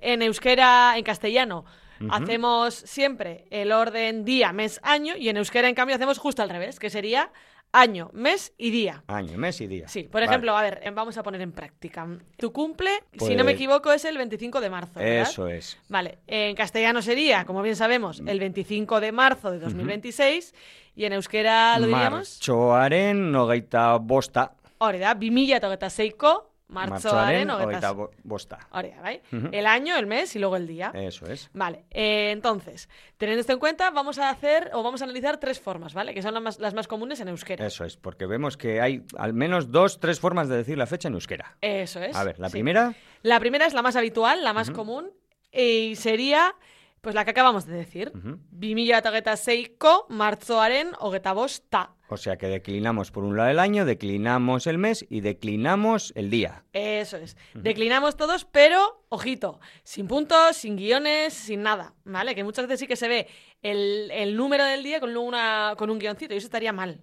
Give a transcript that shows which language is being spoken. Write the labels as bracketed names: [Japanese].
[Spanish] En euskera, en castellano, hacemos siempre el orden día, mes, año, y en euskera, en cambio, hacemos justo al revés, que sería año, mes y día. Año, mes y día. Sí, por ejemplo, vale. A ver, vamos a poner en práctica. Tu cumple, pues, si no me equivoco, es el 25 de marzo, ¿verdad? Eso es. Vale, en castellano sería, como bien sabemos, el 25 de marzo de 2026, y en euskera lo diríamos... [Basque] Martxoaren hogeita bosta. Hori da, 2026ko... Martxoaren hogeita bosta. Hori da, bai. Uh-huh. [Spanish] El año, el mes y luego el día. Eso es. Vale, entonces, teniendo esto en cuenta, vamos a hacer o vamos a analizar tres formas, ¿vale? Que son las más comunes en euskera. Eso es, porque vemos que hay al menos dos, tres formas de decir la fecha en euskera. Eso es. A ver, la primera. La primera es la más habitual, la más común, y sería, pues, la que acabamos de decir. [Basque] 2026ko martxoaren hogeita bosta. [Spanish] O sea que declinamos por un lado el año, declinamos el mes y declinamos el día. Eso es. Declinamos todos, pero, ojito, sin puntos, sin guiones, sin nada, ¿vale? Que muchas veces sí que se ve el número del día con un guioncito y eso estaría mal.